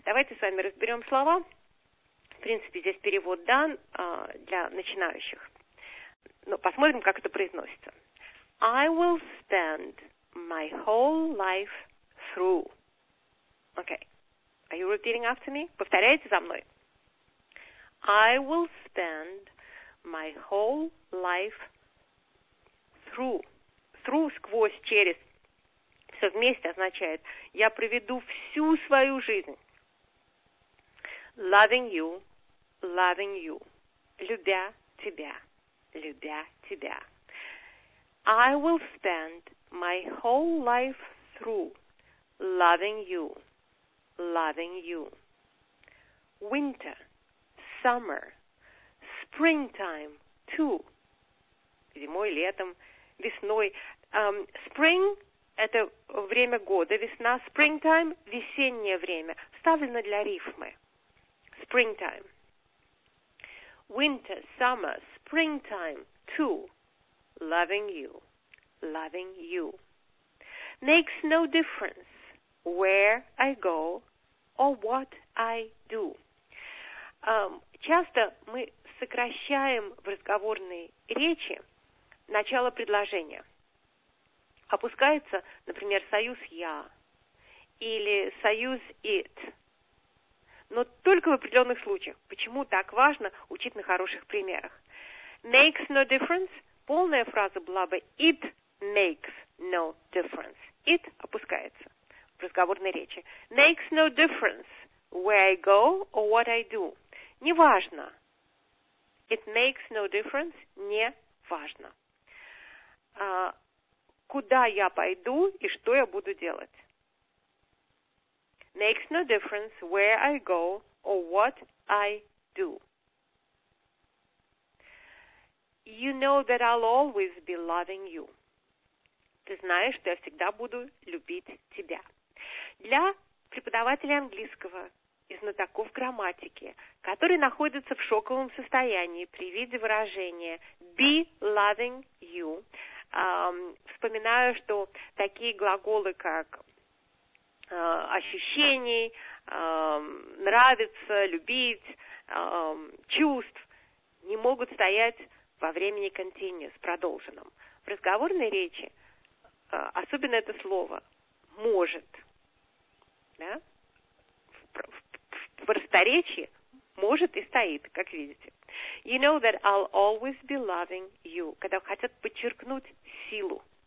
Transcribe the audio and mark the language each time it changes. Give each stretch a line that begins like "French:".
Russian: Давайте с вами разберем слова. В принципе, здесь перевод дан для начинающих. Но посмотрим, как это произносится.
English: I will spend my whole life through. Okay. Are you repeating after me?
Russian: Повторяйте за мной.
English: I will spend my whole life through. Through
Russian: сквозь, через. Все вместе означает, я проведу всю свою жизнь.
English: Loving you, loving you.
Russian: Любя тебя, любя тебя.
English: I will spend my whole life through loving you, loving you. Winter, summer, springtime too.
Russian: Зимой, летом, весной. Spring – это время года, весна. Springtime – весеннее время. Вставлено для рифмы.
English: Springtime. Winter, summer, springtime too. Loving you, loving you. Makes no difference where I go or what I do.
Russian: Часто мы сокращаем в разговорной речи начало предложения. Опускается, например, союз «я» или союз «it». Но только в определенных случаях. Почему так важно учить на хороших примерах?
English: Makes no difference.
Russian: Полная фраза была бы
English: «it makes no difference».
Russian: «It» опускается в разговорной речи.
English: Makes no difference where I go or what I do.
Russian: Неважно.
English: It makes no difference.
Russian: Не важно. Куда я пойду и что я буду делать?
English: Makes no difference where I go or what I do. You know that I'll always be loving you.
Russian: Ты знаешь, что я всегда буду любить тебя. Для преподавателей английского и знатоков грамматики, которые находятся в шоковом состоянии при виде выражения
English: be loving you,
Russian: вспоминаю, что такие глаголы, как ощущений, нравится, любить, чувств, не могут стоять во времени continuous, продолженном. В разговорной речи особенно это слово может. Да? В просторечии может и стоит, как видите.
English: You know that I'll always be loving you.
Russian: Когда хотят подчеркнуть силу.